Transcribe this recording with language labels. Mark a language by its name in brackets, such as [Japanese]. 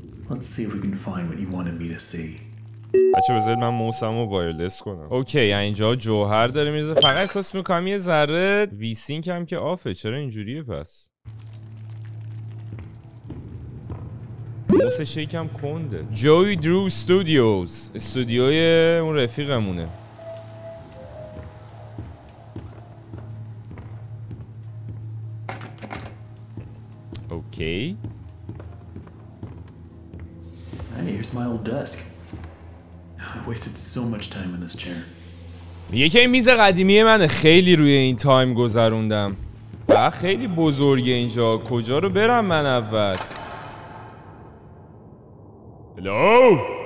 [English] Let's see if we can find what you wanted me to see. [Persian] بچه بذارید من موسم رو وایرلس کنم. اوکی، اینجا جوهر داره میزه. فقط احساس میکنم یه ذره ویسینک هم که آفه. چرا اینجوریه پس؟ موسه شیک هم کنده. جوی درو استودیوز، استودیوی اون رفیقمونه. اوکی. [English] And here's my old desk. I wasted so much time in this chair. [Persian] میگه که این میز قدیمی منه، خیلی روی این تایم گذروندم. بعد خیلی بزرگه اینجا، کجا رو برم من اول؟ [English] No.